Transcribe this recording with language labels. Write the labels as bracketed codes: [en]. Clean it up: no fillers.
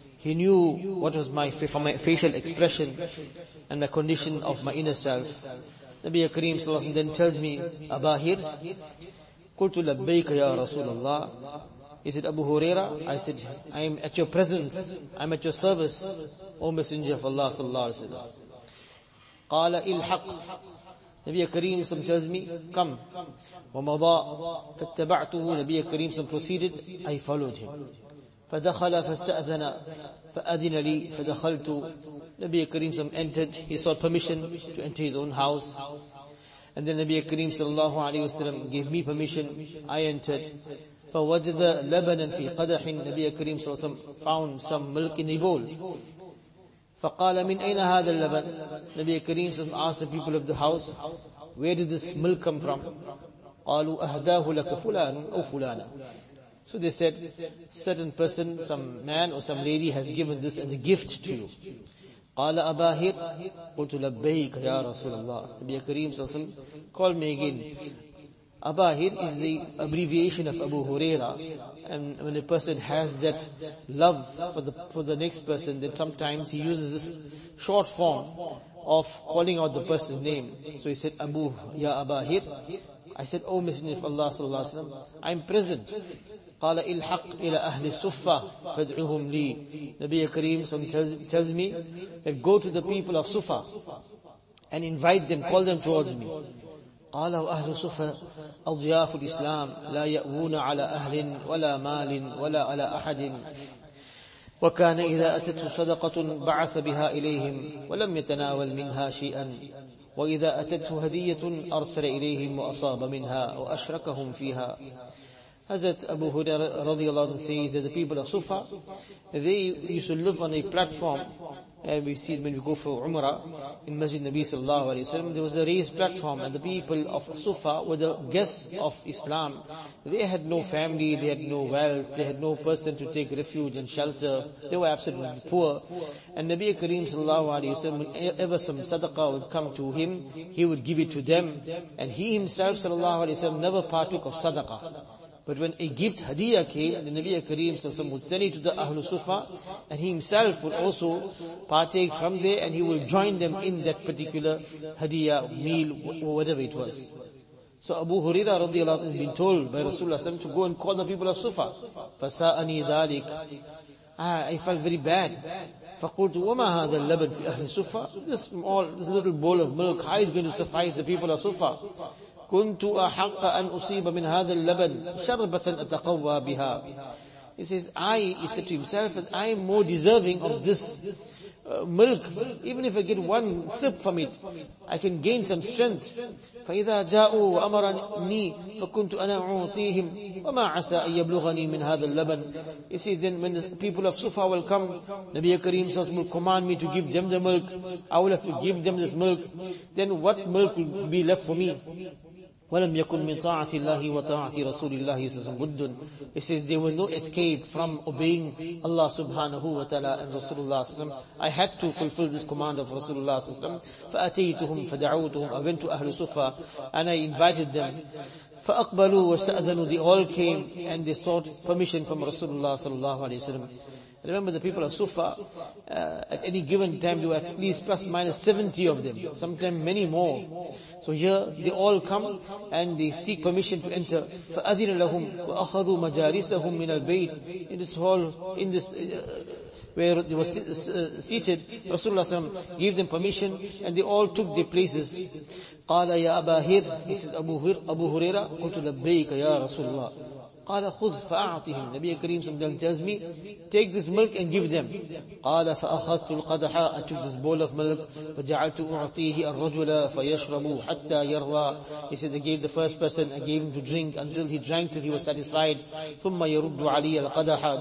[en] He knew what was my facial expression and the condition of my inner self. Nabi Kareem sallallahu alayhi wa sallam then tells me, Abahir, Qultu labbayka ya Rasulullah. He said, Abu Huraira, I said, I am at your presence, I am at your service, O Messenger of Allah sallallahu alayhi wa sallam. [ar] قال الحق. نبي كريم صلى الله عليه وسلم come. ومضى فاتبعته. نبي كريم صلى الله عليه وسلم proceeded, I followed him. فدخل فاستأذن فأذن لي فدخلت. [en] نبي كريم صلى الله عليه وسلم entered, he sought permission to enter his own house, and then نبي كريم صلى الله عليه وسلم gave me permission, I entered. [ar] فوجد لبنا في قدح. نبي كريم صلى الله عليه وسلم found some milk in a bowl. [en] فقال من أين هذا اللبن؟ نبي كريم صلى الله عليه وسلم asked the people of the house, where did this milk come from? [ar] قالوا أهداه لك فلان أو فلانة. [en] So they said, certain person, some man or some lady has given this as a gift to you. [ar] قال أباهر قلت لبيك يا رسول الله. نبي كريم صلى الله عليه وسلم called me again. [en] Abahir is the abbreviation of Abu Huraira. And when a person has that love for the next person, then sometimes he uses this short form of calling out the person's name. So he said, Abu, Ya Abahir. I said, O Messenger of Allah sallallahu alayhi wa sallam, I'm present. [ar] قال الحق إلى أهل الصفة فادعوهم لي. [en] Nabi Kareem tells me that go to the people of Sufa and invite them, call them towards me. [ar] قال أهل صفة أضياف الإسلام لا يأوون على أهل ولا مال ولا على أحد، وكان إذا أتته صدقة بعث بها إليهم ولم يتناول منها شيئا، وإذا أتته هدية أرسل إليهم وأصاب منها وأشركهم فيها. [en] Hazrat Abu Huraira رضي الله عنه says that the people of Sufa, they used to live on a platform. And we see when we go for Umrah in Masjid Nabi sallallahu alayhi wa sallam, there was a raised platform, and the people of Sufa were the guests of Islam. They had no family, they had no wealth, they had no person to take refuge and shelter. They were absolutely poor. And Nabi Kareem sallallahu alayhi wa sallam, whenever some sadaqah would come to him, he would give it to them. And he himself sallallahu alayhi wa sallam never partook of sadaqah. But when a gift hadiyah came, the Nabi Kareem sallallahu alayhi wa sallam would send it to the Ahlul Sufa, and he himself would also partake from there, and he will join them in that particular hadiyah, meal, whatever it was. So Abu Huraira radiallahu anhu has been told by Rasulullah sallallahu alayhi wa sallam to go and call the people of Sufa. فَسَاءَنِي ذَلِكَ. I felt very bad. [ar] فَقُلْتُ وَمَا هَذَا اللَّبَنْ فِي أَهْلِ Sufa. [en] This little bowl of milk, how is going to suffice the people of Sufa? [ar] كنت أحق أن أصيب من هذا اللبن شربة أتقوى بها. [en] He says, he said to himself, that I am more deserving of this milk. Even if I get one sip from it, I can gain some strength. [ar] فإذا جاءوا وأمرني فكنت أنا أعطيهم وما عسى أن يبلغني من هذا اللبن. [en] He says, then when the people of Sufa will come, Nabi Kareem says, will command me to give them the milk. I will have to give them this milk. Then what milk will be left for me? [ar] وَلَمْ يَكُنْ مِنْ طَاعَةِ اللَّهِ وَطَاعَةِ رَسُولِ اللَّهِ صَلَّى اللَّهُ عَلَيْهِ وَسَلَّمَ. [en] It says there was no escape from obeying Allah subhanahu wa ta'ala and Rasulullah صلى الله عليه وسلم. I had to fulfill this command of Rasulullah صلى الله عليه وسلم. [ar] فَأَتَيْتُهُمْ فَدَعَوْتُهُمْ. [en] I went to Ahlu Sufa and I invited them. [ar] فَأَقْبَلُوا وَاسْتَأْذَنُوا. [en] They all came and they sought permission from Rasulullah صلى الله عليه وسلم. Remember the people of Sufa, at any given time there were at least plus minus 70 of them, sometimes many more. So here they all come and they seek permission to enter. [ar] فَأَذِنَ لَهُمْ وَأَخَذُوا مَجَارِسَهُمْ مِنَ الْبَيْتِ. [en] In this hall, in this where they were seated, Rasulullah SAW gave them permission and they all took their places. [ar] قَالَ يَا أَبَا هِرْ. He said, أَبُو هُرَيْرَ قُلْتُ لَبَّيْكَ يَا رَسُولَ اللَّهِ. قَالَ خُذْ فَأَعْطِهِمْ. [en] Nabi Kareem sometimes tells me, take this milk and give them. [ar] قَالَ فَأَخَذْتُ الْقَدَحَ. I took this bowl of milk. فَجَعَلْتُ أُعْطِيهِ الرَّجُلَ فَيَشْرَبُ حَتَّى يَرْوَى. [en] He said, I gave the first person, I gave him to drink until he drank till he was satisfied. [ar] ثُمَّ يَرُدُّ عَلِيَ الْقَدَحَ.